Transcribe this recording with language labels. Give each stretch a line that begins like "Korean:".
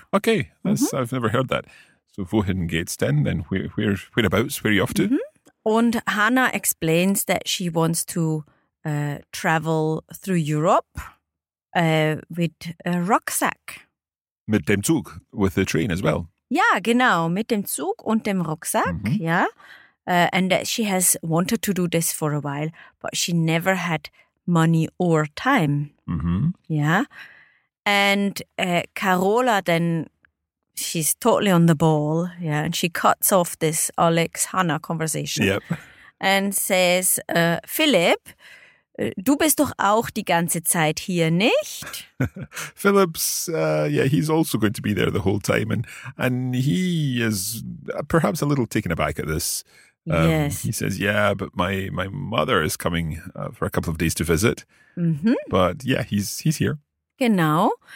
English: Okay, mm-hmm. I've never heard that.
German: So wohin geht's denn?
English: Then whereabouts, where are you off to? Mm-hmm. And Hannah explains that she wants to travel through Europe with a rucksack.
German: Mit dem Zug,
English: with the train as well.
German: Ja, genau, mit dem Zug und dem Rucksack, mm-hmm. ja.
English: And that she has wanted to do this for a while, but she never had money or time. Mm-hmm. Ja. And Carola then... She's totally on the ball, yeah, and she cuts off this Alex-Hannah conversation. Yep. And says, Philipp,
German: du bist doch auch die ganze Zeit hier, nicht?
English: Philipp's, he's also going to be there the whole time. And he is perhaps a little taken aback at this Yes. He says, yeah, but my mother is coming for a couple of days to visit. Mm-hmm. But yeah, he's here.
German: Genau.